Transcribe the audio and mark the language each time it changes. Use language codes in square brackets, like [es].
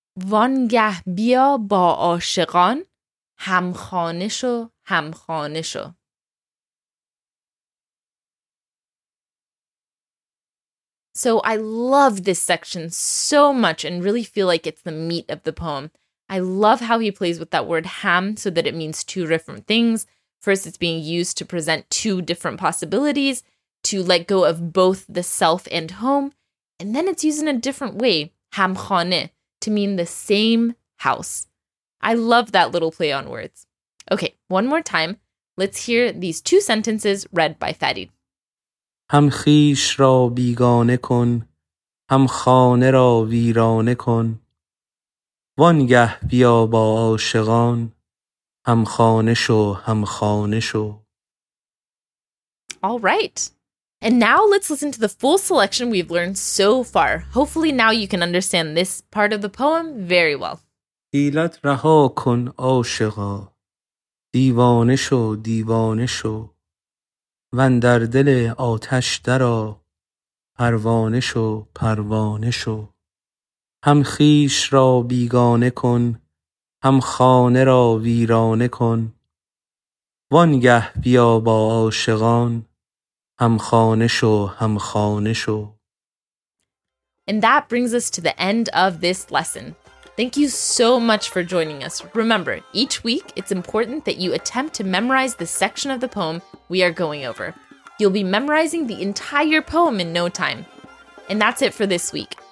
[fa] وانگه بیا با عاشقان همخانه شو همخانه شو. [en] So I love this section so much and really feel like it's the meat of the poem. I love how he plays with that word ham so that it means two different things. First, it's being used to present two different possibilities, to let go of both the self and home. And then it's used in a different way, همخانه, to mean the same house. I love that little play on words. Okay, one more time. Let's hear these two sentences read by Fadi. [fa] Ham khish ra bigane kon, هم خانه را ویرانه کن وانگه بیا با عاشقان هم خانه شو هم خانه شو. [en] All right. And now let's listen to the full selection we've learned so far. Hopefully now you can understand this part of the poem very well. [fa] حیلت رها کن عاشقا دیوانه شو دیوانه شو وندر دل آتش درا پروانه شو پروانه شو هم خیش را بیگانه کن هم خانه را ویرانه کن وانگه بیا با عاشقان هم خانه شو هم خانه شو. [en] And that brings us to the end of this lesson. Thank you so much for joining us. Remember, each week it's important that you attempt to memorize the section of the poem we are going over. You'll be memorizing the entire poem in no time. And that's it for this week.